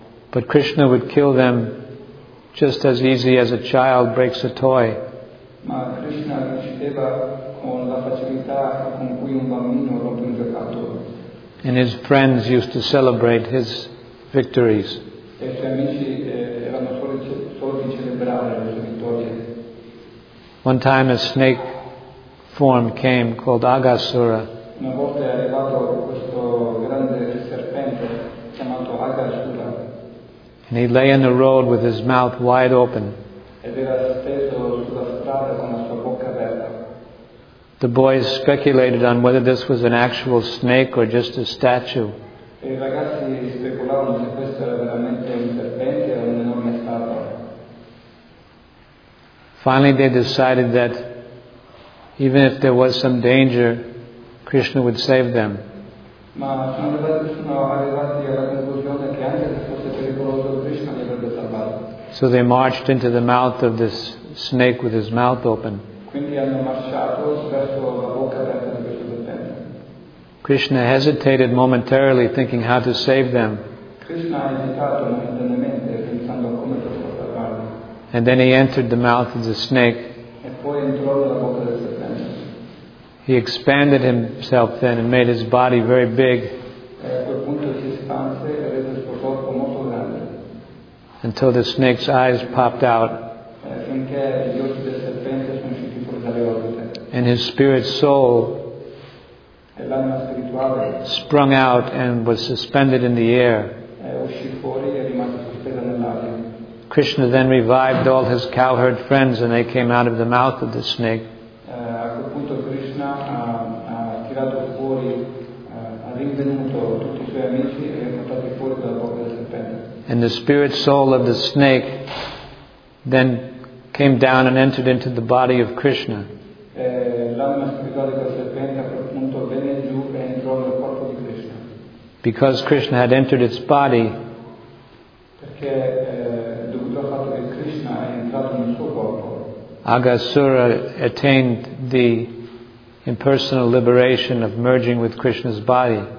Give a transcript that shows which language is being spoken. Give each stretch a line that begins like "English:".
English: But Krishna would kill them just as easy as a child breaks a toy.
Italian: Ma Krishna li uccideva con la facilità con cui un bambino rompe un giocattolo.
English: And his friends used to celebrate his victories.
Italian: E i suoi amici erano soli di celebrare le sue vittorie.
English: One time a snake form came called Agasura.
Italian: Una volta è arrivato questo grande serpente chiamato Agasura.
English: And he lay in the road with his mouth wide open.
Italian: Ed era steso sulla strada con la sua bocca aperta.
English: The boys speculated on whether this was an actual snake or just a statue.
Italian: E i ragazzi speculavano se questo era veramente un serpente o un'enorme statua.
English: Finally they decided that even if there was some danger, Krishna would save them.
Italian: Ma sono arrivati alla conclusione che anche se fosse pericoloso Krishna li avrebbe salvati.
English: So they marched into the mouth of this snake with his mouth open.
Italian: Quindi hanno marciato verso la bocca aperta di questo serpente.
English: Krishna hesitated momentarily, thinking how to save them.
Italian: Krishna ha esitato momentaneamente, pensando come poter salvarli.
English: And then he entered the mouth of the snake.
Italian: E poi entrò nella bocca del serpente.
English: He expanded himself then and made his body very big.
Italian: E a quel punto si espanse e rese il suo corpo molto grande.
English: Until the snake's eyes popped out.
Italian: E affinché gli occhi del serpente sono usciti fuori dalle orbite.
English: And his spirit soul
Italian: e l'anima spirituale
English: sprung out and was suspended in the air.
Italian: Uscì fuori e rimase sospesa nell'aria.
English: Krishna then revived all his cowherd friends and they came out of the mouth of the snake.
Italian: A quel punto Krishna ha tirato fuori, ha rinvenuto tutti i suoi amici e li ha portati fuori dalla bocca del serpente.
English: And the spirit soul of the snake then came down and entered into the body of Krishna.
Italian: L'anima spirituale del serpente a quel punto venne giù e entrò nel corpo di Krishna.
English: Because Krishna had entered its body,
Italian: perché dovuto al fatto che Krishna è entrato nel suo corpo,
English: Agasura attained the impersonal liberation of merging with Krishna's body.